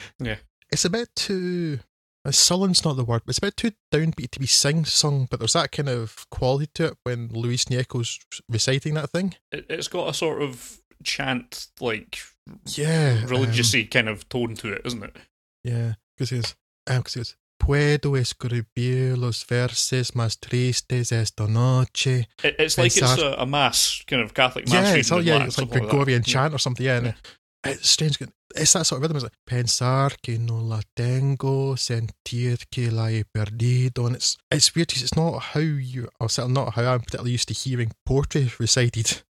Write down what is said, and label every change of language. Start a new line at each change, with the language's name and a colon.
English: Yeah. It's a bit too, sullen's not the word, but it's a bit too downbeat to be sing-sung, but there's that kind of quality to it when Luis Gnecco's reciting that thing. It's got a sort of chant, like, yeah, religious-y kind of tone to it, isn't it? Yeah, because he goes,
Spanish: Puedo escribir los verses más tristes esta noche.
English: It's like it's a mass, kind of Catholic mass. Yeah, it's like Gregorian chant or something, yeah. It's strange, it's that sort of rhythm, it's like,
Spanish: pensar que no la tengo, sentir que la he perdido,
English: and it's weird, because it's not how you, or certainly not how I'm particularly used to hearing poetry recited.